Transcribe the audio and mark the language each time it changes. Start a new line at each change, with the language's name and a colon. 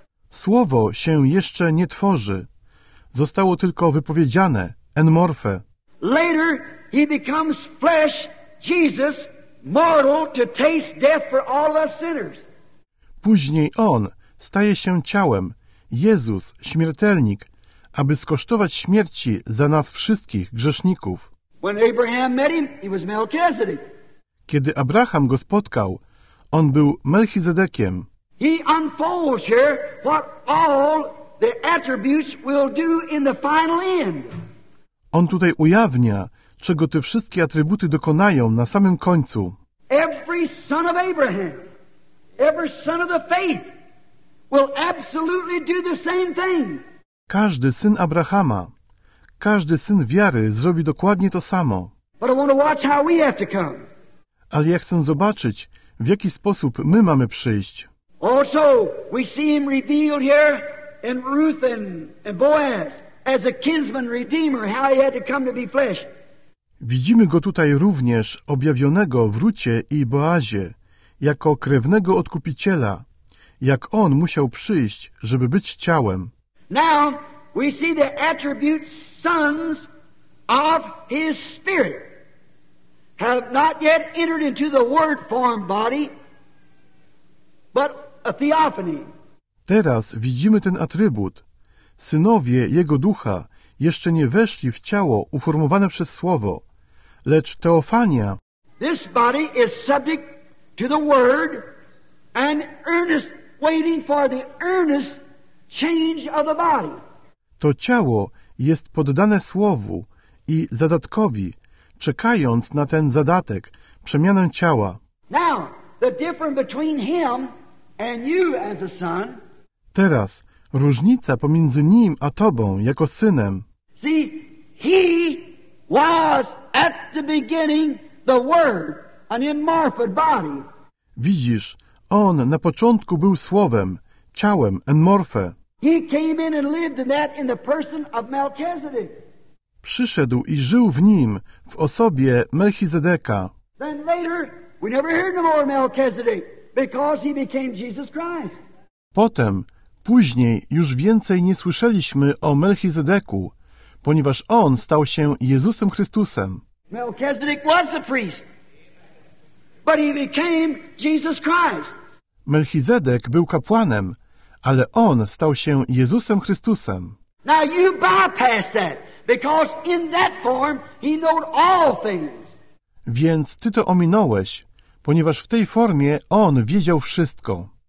Polish: Słowo się jeszcze nie tworzy. Zostało tylko wypowiedziane, enmorphe.
English: Later he becomes flesh, Jesus, mortal to taste death for all us sinners.
Polish: Później on staje się ciałem, Jezus, śmiertelnik, aby skosztować śmierci za nas wszystkich grzeszników.
English: When Abraham met him, he was Melchizedek.
Polish: Kiedy Abraham go spotkał, on był Melchizedekiem.
English: He unfolds here what all the attributes will do in the final end.
Polish: On tutaj ujawnia, czego te wszystkie atrybuty dokonają na samym końcu.
English: Every son of Abraham, every son of the faith will absolutely do the same thing.
Polish: Każdy syn Abrahama, każdy syn wiary zrobi dokładnie to samo.
English: But I want to watch how we have to come.
Polish: Ale ja chcę zobaczyć, w jaki sposób my mamy przyjść.
English: Also, we see him revealed here in Ruth and Boaz as a kinsman redeemer, how he had to come to be flesh.
Polish: Widzimy go tutaj również objawionego w Rucie i Boazie jako krewnego odkupiciela, jak on musiał przyjść, żeby być ciałem.
English: Now we see the attributes sons of his spirit have not yet entered into the word form body. But a theophany.
Polish: Teraz widzimy ten atrybut. Synowie Jego Ducha jeszcze nie weszli w ciało uformowane przez Słowo, lecz teofania.
English: This body is subject to the word and earnest waiting for the earnest change of the body.
Polish: To ciało jest poddane Słowu i zadatkowi, czekając na ten zadatek, przemianę ciała.
English: Now, the difference between him and you as a son.
Polish: Teraz różnica pomiędzy nim a tobą jako synem.
English: See, he was at the beginning the word, an enmorphed body.
Polish: Widzisz, on na początku był słowem, ciałem, enmorphe.
English: He came in and lived in that in the person of Melchizedek.
Polish: Przyszedł i żył w nim, w osobie Melchizedeka.
English: Then later, we never heard no more Melchizedek. Because he became Jesus Christ.
Polish: Potem, później już więcej nie słyszeliśmy o Melchizedeku, ponieważ on stał się Jezusem Chrystusem.
English: Melchizedek was the priest, but he became Jesus Christ.
Polish: Melchizedek był kapłanem, ale on stał się Jezusem Chrystusem.
English: Now you bypass that, because in that form he knew all things.
Polish: Więc ty to ominąłeś, ponieważ w tej formie on wiedział wszystko.